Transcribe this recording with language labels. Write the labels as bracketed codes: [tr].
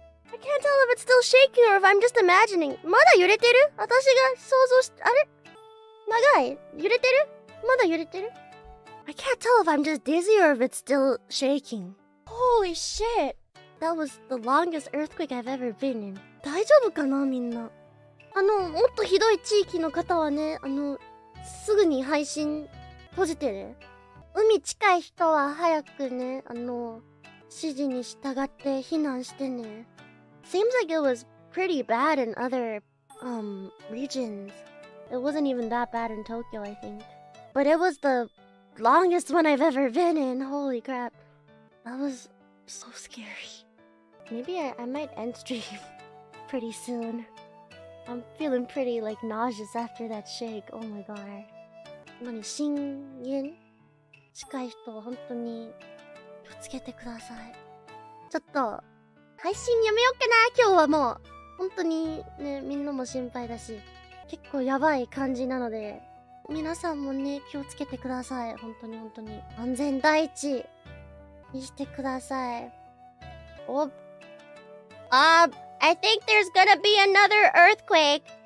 [en] I can't tell if it's still shaking or if I'm just imagining. [ja] まだ揺れてる？私が想像して、あれ？長い？揺れてる？まだ揺れてる？ [en] I can't tell if I'm just dizzy or if it's still shaking. Holy shit! That was the longest earthquake I've ever been in. [ja] 大丈夫かな、みんな。あの、もっとひどい地域の方はね、あの、すぐに配信閉じてね。海近い人は早くね、あの、指示に従って避難してね。 [en] Seems like it was pretty bad in other, regions. It wasn't even that bad in Tokyo, I think. But it was the... longest one I've ever been in. Holy crap. That was so scary. Maybe I might end stream pretty soon. I'm feeling pretty like nauseous after that shake. Oh my god. [ja] 何、震源近い人は本当に気をつけてください。ちょっと配信やめようかな。今日はもう本当にね、みんなも心配だし、結構やばい感じなので、皆さんもね、気をつけてください。本当に本当に。安全第一にしてください。 [en] お、I think there's gonna be another earthquake.